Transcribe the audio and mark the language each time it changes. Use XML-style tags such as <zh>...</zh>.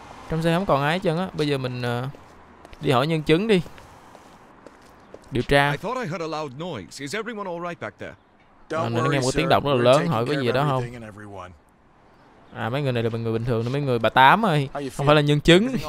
<vi>Trong xe không còn ai hết trơn á. Bây giờ mình đi hỏi nhân chứng đi. Điều tra.</vi> <en>I thought I heard a loud noise. Is everyone all right back there?</en> <vi>Nó nghe một tiếng động rất là lớn, hỏi có gì đó không? À, mấy người này là mấy người bình thường, mấy người bà tám ơi, không phải là nhân chứng.</vi>